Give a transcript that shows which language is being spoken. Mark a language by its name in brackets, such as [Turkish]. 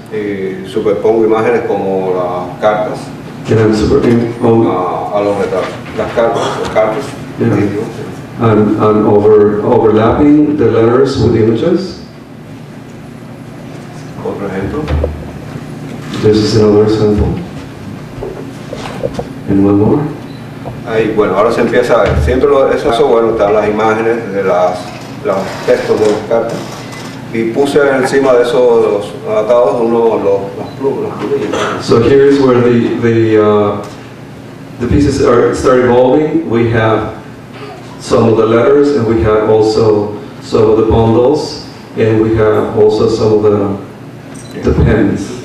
[English] And I'm superimposing overlapping the letters with images. This is another example. And one more. [Spanish] Ahí, bueno, ahora se empieza a ver. Siempre lo, eso, bueno, están las imágenes de las, los textos de las cartas. Y puse encima de esos atados uno, los plumas. [English] So here is where the pieces are, start evolving. We have some of the letters, and we have also some of the bundles, and we have also some of the pens.